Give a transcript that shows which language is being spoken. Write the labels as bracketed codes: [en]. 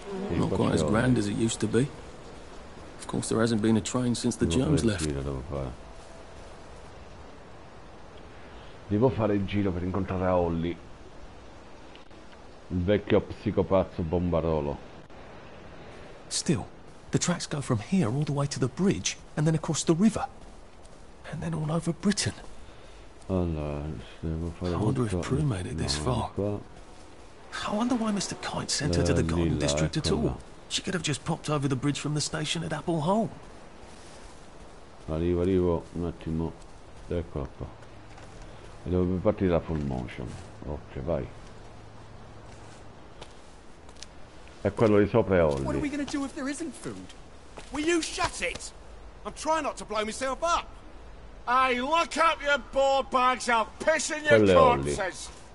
[en] Not quite as grand as it used to be. Of course, there hasn't been a train since the Jones left. [it] Devo fare il giro per incontrare Holly, il vecchio psicopazzo bombarolo. [en] Still, the tracks go from here all the way to the bridge, and then across the river, and then all over Britain. [it] Allora, [en] I wonder if Prue made it this far. I wonder why Mr. Kite sent her to the Garden District at all. She could have just popped over the bridge from the station at Apple Home. [it] Arrivo, un attimo. Ecco qua. E dovrebbe partire la full motion. Ok, vai. E quello di sopra è Ollie. [en] What are we going to do if there isn't food? Will you shut it? I'm trying not to blow myself up. Hey, lock up your ball bags, I'll piss in your corpses.